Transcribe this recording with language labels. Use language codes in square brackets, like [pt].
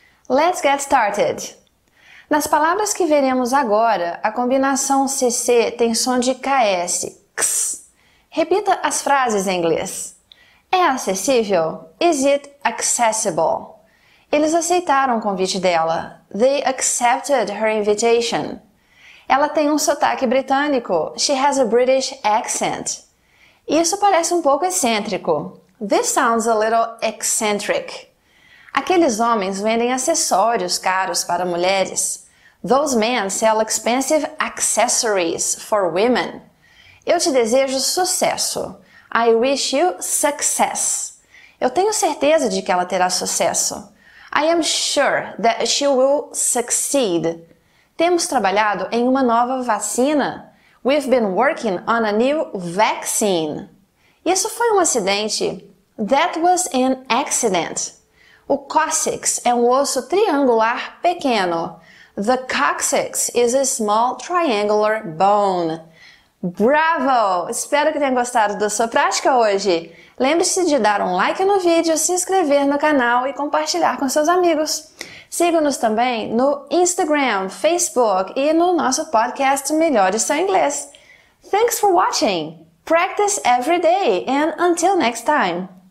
[en] Let's get started! [pt] Nas palavras que veremos agora, a combinação CC tem som de KS. Repita as frases em inglês. É acessível? [en] Is it accessible? [pt] Eles aceitaram o convite dela. [en] They accepted her invitation. [pt] Ela tem um sotaque britânico. [en] She has a British accent. [pt] Isso parece um pouco excêntrico. [en] This sounds a little eccentric. [pt] Aqueles homens vendem acessórios caros para mulheres. [en] Those men sell expensive accessories for women. [pt] Eu te desejo sucesso. [en] I wish you success. [pt] Eu tenho certeza de que ela terá sucesso. [en] I am sure that she will succeed. [pt] Temos trabalhado em uma nova vacina. [en] We've been working on a new vaccine. [pt] Isso foi um acidente. [en] That was an accident. [pt] O cóccix é um osso triangular pequeno. [en] The coccyx is a small triangular bone. [pt] Bravo! Espero que tenha gostado da sua prática hoje. Lembre-se de dar um like no vídeo, se inscrever no canal e compartilhar com seus amigos. Siga-nos também no Instagram, Facebook e no nosso podcast Melhore Seu Inglês. [en] Thanks for watching! Practice every day and until next time!